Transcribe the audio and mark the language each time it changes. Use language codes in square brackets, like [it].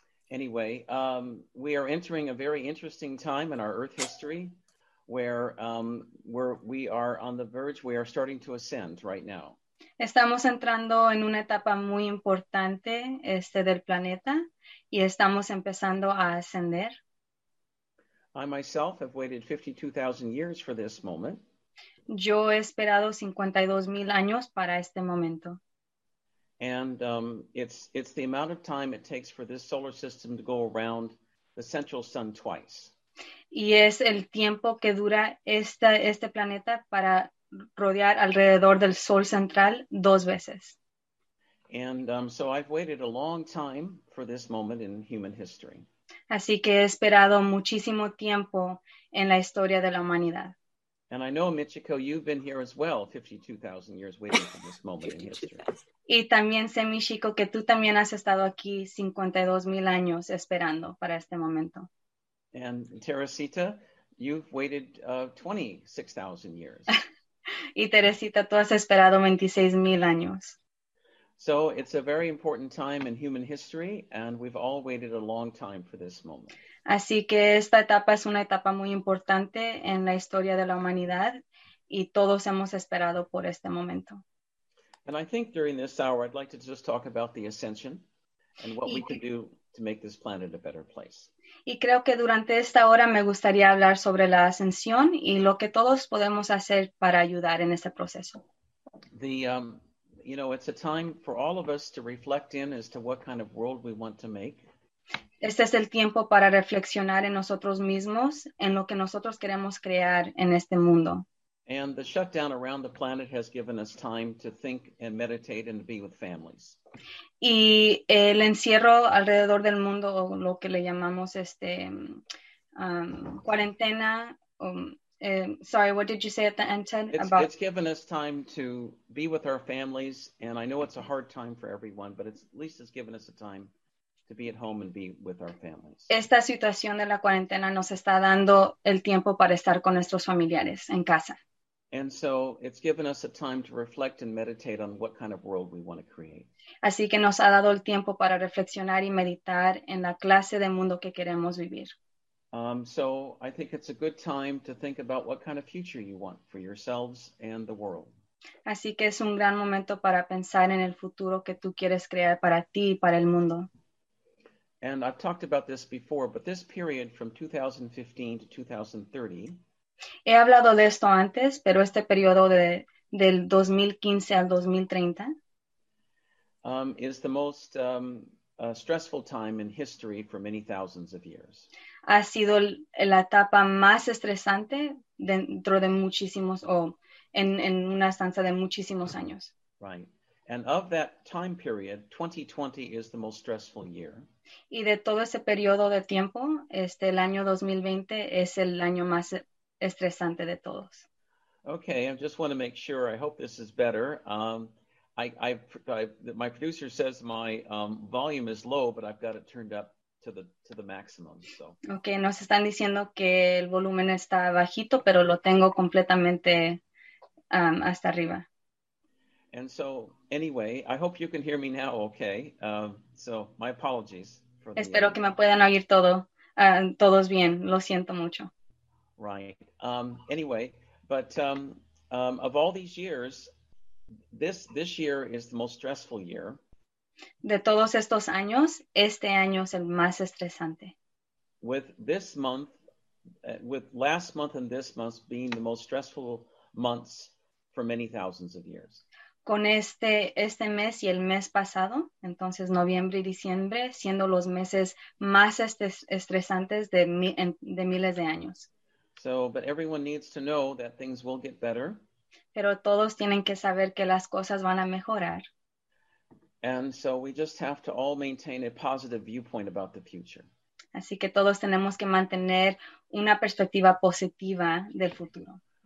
[en] Anyway, we are entering a very interesting time in our Earth history where we are on the verge, we are starting to ascend right now. [es] Estamos entrando en una etapa muy importante del planeta y estamos empezando a ascender. [en] I myself have waited 52,000 years for this moment. [es] Yo he esperado 52,000 años para este momento. [en] And it's the amount of time it takes for this solar system to go around the central sun twice. [es] Y es el tiempo que dura este planeta para rodear alrededor del sol central dos veces. [en] And so I've waited a long time for this moment in human history. [es] Así que he esperado muchísimo tiempo en la historia de la humanidad. [en] And I know, Michiko, you've been here as well, 52,000 years waiting for this moment in history. [es] Y también sé, Michiko, que tú también has estado aquí 52,000 años esperando para este momento. [en] And Teresita, you've waited 26,000 years. [es] Y Teresita, tú has esperado 26,000 años. [en] So it's a very important time in human history, and we've all waited a long time for this moment. [es] Así que esta etapa es una etapa muy importante en la historia de la humanidad, y todos hemos esperado por este momento. [en] And I think during this hour, I'd like to just talk about the ascension and what we can do to make this planet a better place. [es] Y creo que durante esta hora me gustaría hablar sobre la ascensión y lo que todos podemos hacer para ayudar en este proceso. [en] It's a time for all of us to reflect in as to what kind of world we want to make. [es] Este es el tiempo para reflexionar en nosotros mismos, en lo que nosotros queremos crear en este mundo. [en] And the shutdown around the planet has given us time to think and meditate and be with families. [es] Y el encierro alrededor del mundo, o lo que le llamamos cuarentena, [en] it's given us time to be with our families, and I know it's a hard time for everyone, but at least it's given us a time to be at home and be with our families. [es] Esta situación de la cuarentena nos está dando el tiempo para estar con nuestros familiares en casa. [en] And so it's given us a time to reflect and meditate on what kind of world we want to create. [es] Así que nos ha dado el tiempo para reflexionar y meditar en la clase de mundo que queremos vivir. [en] So I think it's a good time to think about what kind of future you want for yourselves and the world. [es] Así que es un gran momento para pensar en el futuro que tú quieres crear para ti y para el mundo. [en] And I've talked about this before, but this period from 2015 to 2030. [es] He hablado de esto antes, pero este periodo del 2015 al 2030. [en] Is the most stressful time in history for many thousands of years. [es] Ha sido la etapa más estresante dentro de muchísimos, en una estancia de muchísimos años. [en] Right. And of that time period, 2020 is the most stressful year. [es] Y de todo ese periodo de tiempo, el año 2020 es el año más estresante de todos. [en] Okay, I just want to make sure, I hope this is better. My producer says my volume is low, but I've got it turned up to the maximum. So. [es] Okay, nos están diciendo que el volumen está bajito, pero lo tengo completamente hasta arriba. [en] And so, anyway, I hope you can hear me now, okay? So, my apologies. [es] Espero que me puedan oír todo, todos bien. Lo siento mucho. [en] Right. Anyway, but of all these years, this year is the most stressful year. [es] De todos estos años, este año es el más estresante. [en] With this month, with last month and this month being the most stressful months for many thousands of years. [es] Con este mes y el mes pasado, entonces noviembre y diciembre, siendo los meses más estresantes de miles de años. [en] So, but everyone needs to know that things will get better. [es] Pero todos tienen que saber que las cosas van a mejorar. [en] And so we just have to all maintain a positive viewpoint about the future. [es] Así que todos tenemos que mantener una perspectiva positiva del futuro.